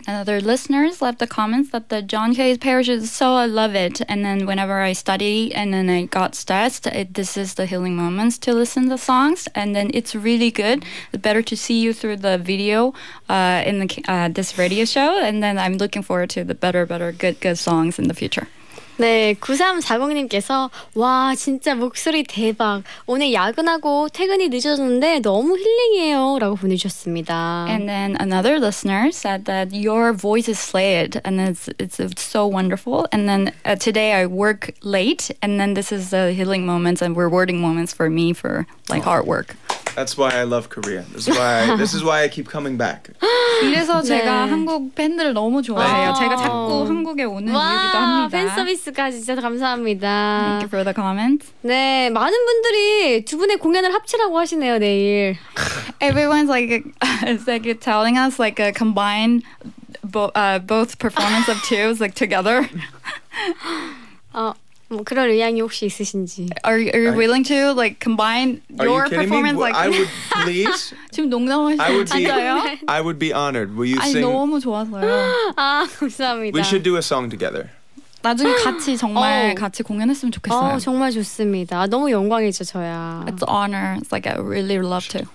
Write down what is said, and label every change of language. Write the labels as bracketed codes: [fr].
[en] Another listeners left the comments that the John Kay's Parachute is so I love it. And then whenever I study and then I got stressed, this is the healing moments to listen to the songs. And then it's really good. The better to see you through the video. In the, this radio show, and then I'm looking forward to the better, good songs in the future. [ko] 네, 9340님께서 와 진짜 목소리 대박. 오늘 야근하고 퇴근이 늦어졌는데 너무 힐링이에요라고 보내주셨습니다. [en] And then another listener said that your voice is slayed and it's so wonderful. And then today I work late and then this is the healing moments and rewarding moments for me for like hard work. That's why I love Korea. This is why I keep coming back. [ko] 이래서 네. 제가 한국 팬들을 너무 좋아해요. 제가 자꾸 한국에 오는 와, 이유기도 합니다. 팬 서비스까지 진짜 감사합니다. [en] Thank you for the comments. [ko] 네, 많은 분들이 두 분의 공연을 합치라고 하시네요, 내일. [en] Everyone's like telling us like a combine both performance of two like together. [ko] 뭐 그럴 의향이 혹시 있으신지. [en] Are you willing to like combine your performance? Like, I would please. [ko] 지금 농담하시는 건가요? [en] I would be honored. Will you [ko] 아니, [en] sing? [ko] 아 너무 좋아서요. 아 감사합니다. [en] We should do a song together. [ko] 나중에 같이 정말 같이 공연했으면 좋겠어요. 아, 정말 좋습니다. 너무 영광이죠 저야. [en] It's an honor. It's like I really love to.